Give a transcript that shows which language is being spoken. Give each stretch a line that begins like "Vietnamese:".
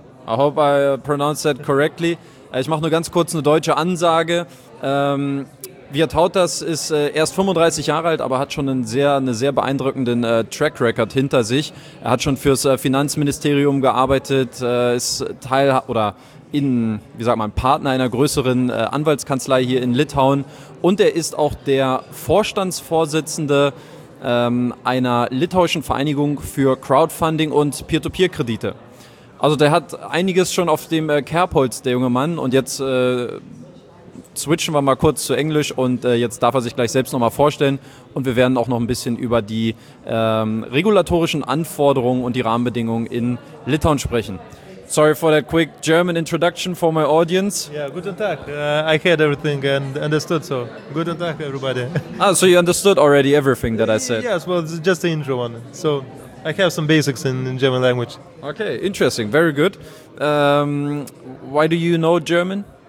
English: I hope I pronounced that correctly.
German: Ich mache nur ganz kurz eine deutsche Ansage. Vytautas ist erst 35 Jahre alt, aber hat schon einen sehr beeindruckenden Track Record hinter sich. Er hat schon fürs Finanzministerium gearbeitet, ist Teil oder in, wie sagt man, Partner einer größeren Anwaltskanzlei hier in Litauen. Und er ist auch der Vorstandsvorsitzende einer litauischen Vereinigung für Crowdfunding und Peer-to-Peer-Kredite. Also der hat einiges schon auf dem Kerbholz, der junge Mann. Und jetzt switchen wir mal kurz zu Englisch und jetzt darf er sich gleich selbst nochmal vorstellen. Und wir werden auch noch ein bisschen über die regulatorischen Anforderungen und die Rahmenbedingungen in Litauen sprechen.
English: Sorry for that quick German introduction for my audience.
German: Yeah, guten Tag.
English: I heard everything and understood, so
German: guten Tag,
English: everybody. Ah, so you understood already everything that I said? Yes, well, it's just the intro one. So I have some basics in German language. Okay, interesting. Very good. Why do you know German?